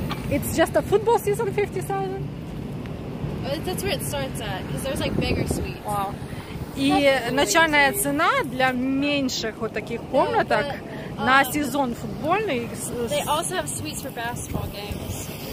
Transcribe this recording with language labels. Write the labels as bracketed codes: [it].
[en] It's just a football season, 50,000? That's where it starts at, because there's like bigger suites. Wow. [ru] И начальная цена для меньших вот таких комнаток на сезон футбольный. [en] They also have suites for basketball games.